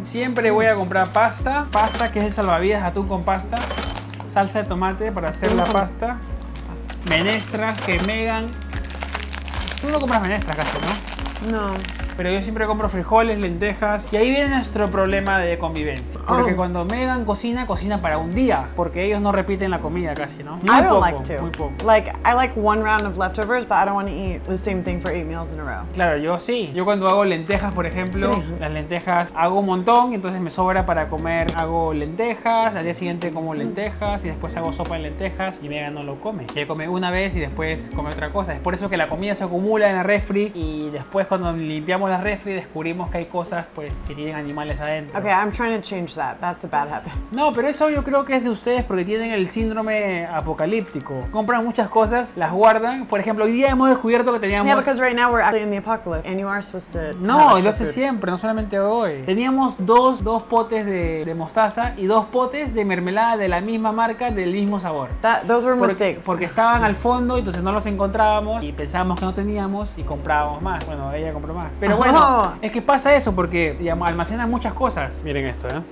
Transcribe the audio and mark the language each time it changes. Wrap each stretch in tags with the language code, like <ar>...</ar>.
<es>Siempre voy a comprar pasta, que es el salvavidas, atún con pasta, salsa de tomate para hacer la pasta, menestras, que Megan... Tú no compras menestras casi, ¿no? No. Pero yo siempre compro frijoles, lentejas. Y ahí viene nuestro problema de convivencia. Porque cuando Megan cocina, cocina para un día. Porque ellos no repiten la comida casi, ¿no? Muy</es> <en>I don't</en> <es>poco,</es> <en>like to.</en> <es>Muy poco.</es> <en>Like, I like one round of leftovers, but I don't want to eat the same thing for 8 meals in a row.</en> <es>Claro, yo sí. Yo cuando hago lentejas, por ejemplo, las lentejas hago un montón. Y entonces me sobra para comer. Hago lentejas, al día siguiente como lentejas. Y después hago sopa de lentejas. Y Megan no lo come. Y él come una vez y después come otra cosa. Es por eso que la comida se acumula en la refri. Y después cuando limpiamos la refri descubrimos que hay cosas pues que tienen animales adentro.</es> <en>Okay, I'm trying to change that. That's a bad habit.</en> <es>No, pero eso yo creo que es de ustedes porque tienen el síndrome apocalíptico. Compran muchas cosas, las guardan. Por ejemplo, hoy día hemos descubierto que teníamos...</es> <en>Yeah, because right now we're actually in the apocalypse and you are supposed to...</en> <es>No, lo hace siempre, no solamente hoy. Teníamos dos potes de mostaza y 2 potes de mermelada de la misma marca, del mismo sabor.</es> <en>Those were mistakes.</en> <es>Porque estaban al fondo, entonces no los encontrábamos y pensábamos que no teníamos y comprábamos más. Bueno, ella compró más. Pero bueno, es que pasa eso porque digamos, almacena muchas cosas. Miren esto, ¿eh?</es>